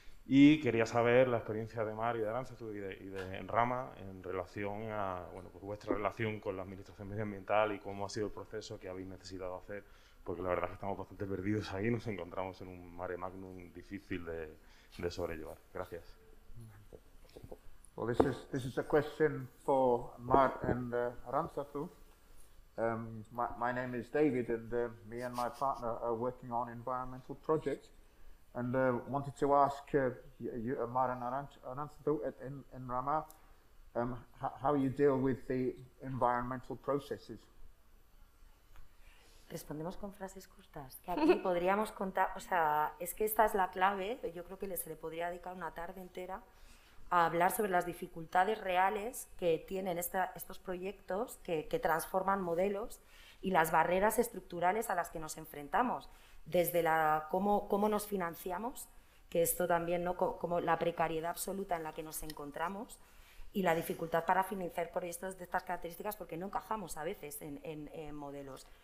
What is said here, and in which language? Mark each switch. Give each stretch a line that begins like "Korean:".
Spanish: Y quería saber la experiencia de Mar y de Arantxa y de Enrama en relación a vuestra relación con la Administración Medioambiental y cómo ha sido el proceso que habéis necesitado hacer, porque la verdad es que estamos bastante perdidos ahí, nos encontramos en un mare magnum difícil de sobrellevar. Gracias.
English: Well, this is a question for Mark and Arantxa. My name is David, and me and my partner are working on environmental projects, and wanted to ask you, Mark and Arantxa, in Rama, how you deal with the environmental processes.
Spanish: Respondemos con frases cortas, que aquí podríamos contar, o sea, es que esta es la clave, yo creo que se le podría dedicar una tarde entera a hablar sobre las dificultades reales que tienen estos proyectos que transforman modelos y las barreras estructurales a las que nos enfrentamos, desde la cómo nos financiamos, que esto también, ¿no?, como la precariedad absoluta en la que nos encontramos y la dificultad para financiar proyectos de estas características porque no encajamos a veces en modelos.